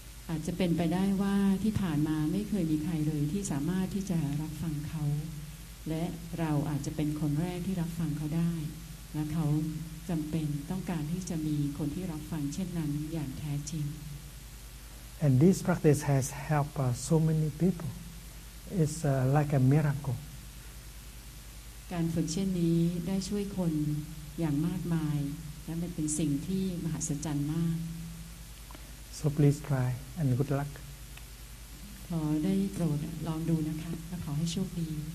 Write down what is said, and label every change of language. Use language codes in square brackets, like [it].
[th] อาจจะเป็นไปได้ว่าที่ผ่านมาไม่เคยมีใครเลยที่สามารถที่จะรับฟังเขาและเราอาจจะเป็นคนแรกที่รับฟังเขาได้และเขาจำเป็นต้องการที่จะมีคนที่รับฟังเช่นนั้นอย่างแท้จริง [en] And this practice has helped so many people. It's like a miracle. [th] การฝึกเช่นนี้ได้ช่วยคนอย่างมากมายและมันเป็นสิ่งที่มหัศจรรย์มาก [en] So please try and good luck [th] ขอได้โปรดลองดูนะคะและขอให้โชคดี